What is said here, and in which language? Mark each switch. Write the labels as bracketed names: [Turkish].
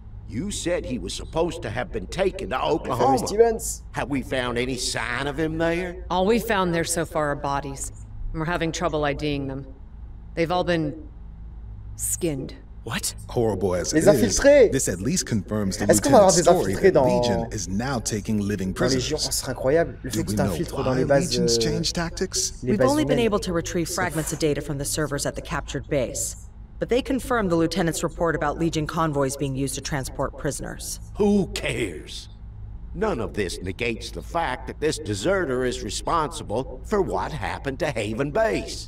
[English] You said he was supposed to have been taken to Oklahoma. Have we found any sign of him there? All we've found there so far are bodies. And we're having trouble IDing them. They've all been skinned. What? Horrible as [French] les [English] it [French] infiltrés. [English] Is, this at least confirms the lieutenant's story that Legion is now taking living prisoners. [French] Ce serait incroyable. Le fait que tu t'infiltres dans les bases. [English] We've only been able to retrieve fragments of data from the servers at the captured base. But they confirmed the lieutenant's report about Legion convoys being used to transport prisoners. Who cares? None of this negates the fact that this deserter is responsible for what happened to Haven Base.